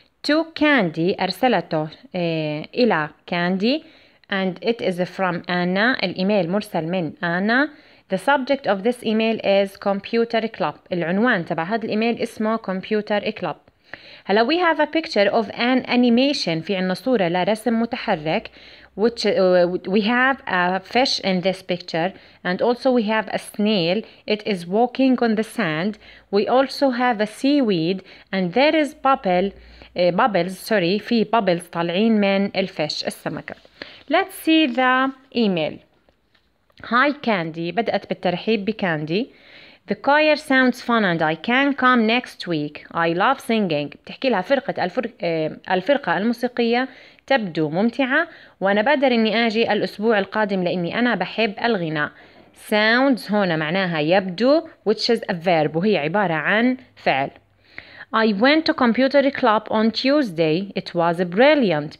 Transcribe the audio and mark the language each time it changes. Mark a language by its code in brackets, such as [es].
[ar] To Candy، ارسلته الى Candy. [en] And it is from Anna، [ar] الايميل مرسل من [en] Anna. The subject of this email is computer club، [ar] العنوان تبع هذا الايميل اسمه [en] computer club. هلا we have a picture of an animation، [ar] في عنا صورة لرسم متحرك. [en] Which we have a fish in this picture and also we have a snail. It is walking on the sand. We also have a seaweed and there is bubbles في bubbles [ar] طالعين من [en] الفيش [ar] السمكة. [en] Let's see the email. Hi Candy، [ar] بدأت بالترحيب بكاندي. [en] The choir sounds fun and I can come next week. I love singing، [ar] بتحكي لها فرقة الفرقة الموسيقية تبدو ممتعة وأنا بقدر إني آجي الأسبوع القادم لأني أنا بحب الغناء. Sounds هنا معناها يبدو، [en] which is a verb، [ar] وهي عبارة عن فعل. [en] I went to computer club on Tuesday. It was brilliant.